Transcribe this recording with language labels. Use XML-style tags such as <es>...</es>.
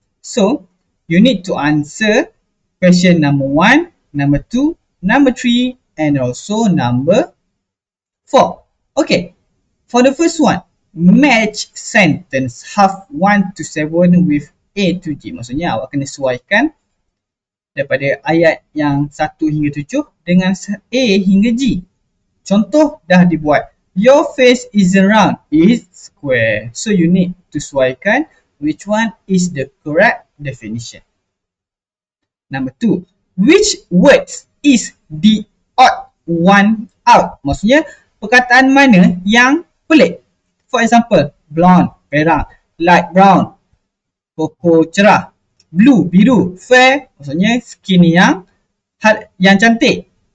<en>So, you need to answer question number 1, number 2, number 3, and also number 4. Okay, for the first one, match sentence half 1 to 7 with A to G.</en> <ms>Maksudnya awak kena sesuaikan daripada ayat yang 1 hingga 7 dengan A hingga G. Contoh dah dibuat.</ms> <en>Your face isn't round, it's square. So you need to sesuaikan which one is the correct definition. Number 2, which words is the odd one out?</en> <ms>Maksudnya perkataan mana yang pelik?</ms> <en>For example,</en> <ms>blonde, perak,</ms> <en>light brown,</en> <ms>koko cerah, blue, biru, fair, maksudnya skin yang yang cantik.</ms>